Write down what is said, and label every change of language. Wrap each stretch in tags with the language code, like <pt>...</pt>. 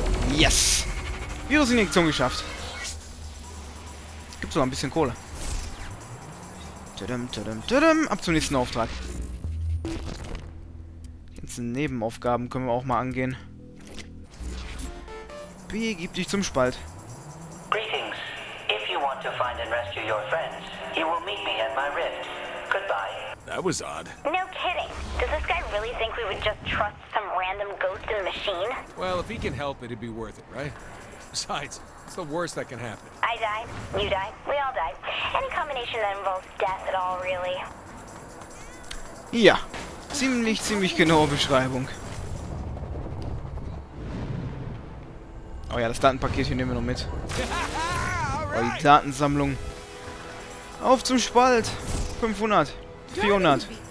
<en>Yes!</en> <de>Virusinjektion geschafft. Gibt's noch ein bisschen Kohle. Tadam, tadam, tadam. Ab zum nächsten Auftrag. Die ganzen Nebenaufgaben können wir auch mal angehen. Begib dich zum Spalt.</de> <en>Greetings. If you want to find and rescue your friends, you will meet me at my rift. Goodbye. That was odd. No kidding. Does this guy really think we would just trust some random ghost in the machine? Well, if he can help it, it'd be worth it, right? Besides, it's the worst that can happen. I die, you die, we all die. Any combination that involves death at all, really.</en> <de>Ja, ziemlich genaue Beschreibung. Oh ja, das Datenpaket hier nehmen wir noch mit. Oh, die Datensammlung. Auf zum Spalt. 500. 400.</de>